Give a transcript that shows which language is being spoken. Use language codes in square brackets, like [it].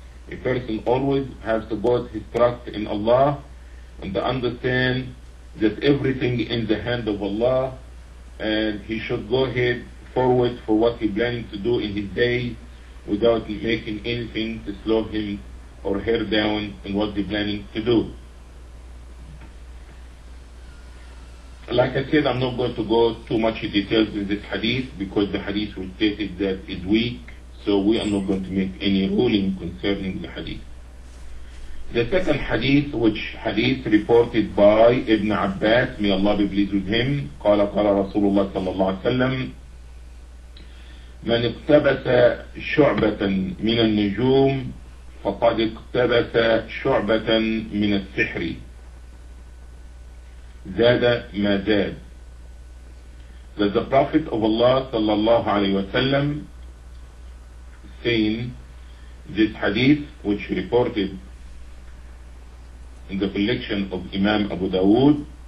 [en] A person always has to put his trust in Allah and to understand that everything in the hand of Allah, and he should go ahead forward for what he planning to do in his day without making anything to slow him or her down in what he planning to do. Like I said, I'm not going to go too much in details in this hadith, because the hadith was stated that it's weak, so we are not going to make any ruling concerning the hadith. The second hadith, which hadith reported by Ibn Abbas, may Allah be pleased with him, [ar] قَالَ قَالَ رَسُولُ اللَّهِ صَلَّى اللَّهُ عَلَيْهِ وَسَلَّمْ مَنْ اِقْتَبَسَ شُعْبَةً مِنَ النُّجُومِ فَقَدْ اِقْتَبَسَ شُعْبَةً مِنَ السِّحْرِ زَادَ مَا زَاد. [en] That the Prophet of Allah sallallahu alayhi wa sallam saying this hadith, which reported in the collection of Imam Abu Dawood,